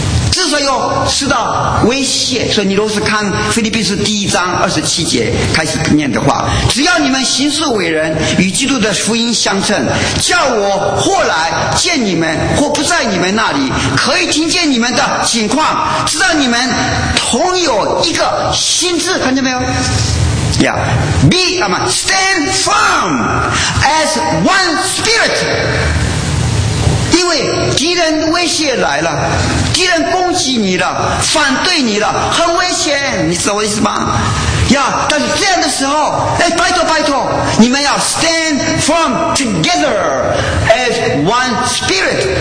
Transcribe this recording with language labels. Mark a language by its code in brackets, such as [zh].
[zh] 之所以有受到威胁，所以你若是看腓立比书第一章27节开始念的话，只要你们行事为人与基督的福音相称，叫我或来见你们，或不在你们那里，可以听见你们的情况，知道你们同有一个心智，看见没有？ [en] stand firm as one spirit。 [zh] 因为敌人威胁来了，敌人攻击弃你了，反对你了，很危险，你知道我意思吗？呀，但是这样的时候，哎，拜托拜托，你们要 [en] stand firm together as one spirit。